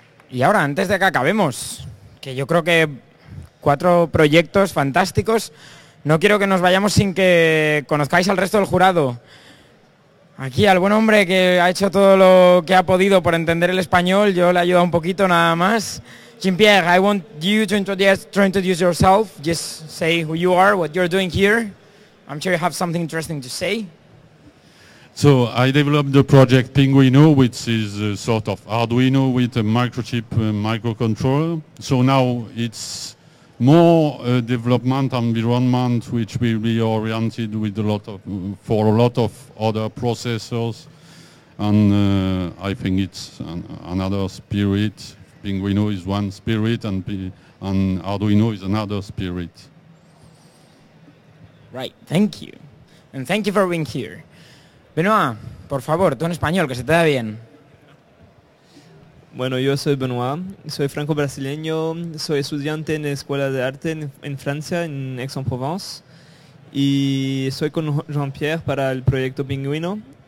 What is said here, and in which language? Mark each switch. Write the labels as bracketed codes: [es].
[es] Y ahora, antes de que acabemos, que yo creo que cuatro proyectos fantásticos. No quiero que nos vayamos sin que conozcáis al resto del jurado. Aquí al buen hombre que ha hecho todo lo que ha podido por entender el español. Yo le he ayudado un poquito nada más. [en] Jean-Pierre, I want you to introduce yourself. Just say who you are, what you're doing here. I'm sure you have something interesting to say. So I developed the project Pinguino, which is a sort of Arduino with a microchip microcontroller. So now it's more a development environment which will be oriented with a lot of other processors. And I think it's another spirit. Pinguino is one spirit, and Arduino is another spirit. Right, thank you. And thank you for being here. [es] Benoit, por favor, tú en español, que se te da bien. Bueno, yo soy Benoit, soy franco-brasileño, soy estudiante en la Escuela de Arte en Francia, en Aix-en-Provence, y soy con Jean-Pierre para el proyecto Pinguino.